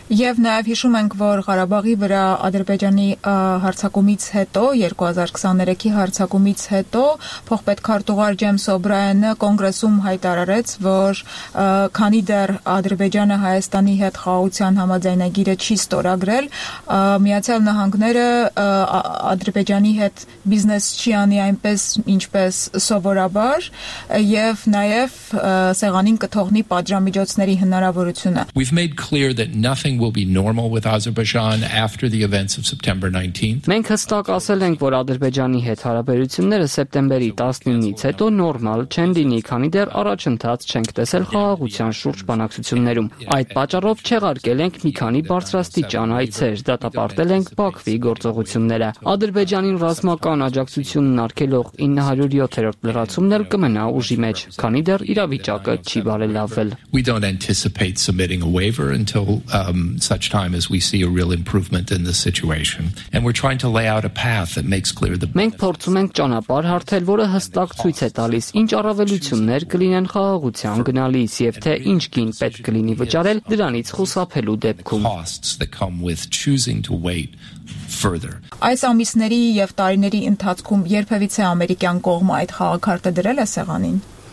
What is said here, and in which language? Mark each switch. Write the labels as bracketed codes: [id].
[hy] Եվ նաև հիշում ենք, որ Ղարաբաղի վրա Ադրբեջանի հարձակումից հետո, 2023-ի հարձակումից հետո, փոխպետքարտուղար Ջեյմս Օբրայանը կոնգրեսում հայտարարեց, որ քանի դեռ Ադրբեջանը Հայաստանի հետ խաղաղության համաձայնագիրը չի ստորագրել, Միացյալ Նահանգները Ադրբեջանի հետ բիզնես չի անի այնպես, ինչպես սովորաբար, և նաև սեղանին կթողնի պատժամիջոցների հնարավորությունը։ [en] We've made clear that nothing will be normal with Azerbaijan after the events of September 19th. [hy] Մենք հստակ ասել ենք, որ Ադրբեջանի հետ հարաբերությունները սեպտեմբերի 19-ից հետո նորմալ չեն լինի, քանի դեռ առաջընթաց չենք տեսել խաղաղության շուրջ բանակ ցություններում։ Այդ պատճառով չեղարկել ենք մի քանի բարձրաստիճան այցեր, դատապարտել ենք Բաքվի գործողությունները։ Ադրբեջանին ռազմական աջակցությունն արգելող 907-րդ լրացումն էլ կմնա ուժի մեջ, քանի դեռ իրավիճակը չի բարելավվել։ [en] We don't anticipate submitting a waiver until such time as we see a real improvement in the situation, and we're trying to lay out a path that makes clear the [hy] Մենք փորձում ենք ճանապարհ հարթել, որը հստակ ցույց է տալիս, ինչ առավելություններ կլինեն խաղաղության գնալիս, եւ թե ինչ կին պետք լինի վճարել դրանից խուսափելու դեպքում։ [en] further. [hy] Այս ամիսների եւ տարիների ընթացքում երբևիցե ամերիկյան կողմը այդ խաղակարտը դրել է սեղանին։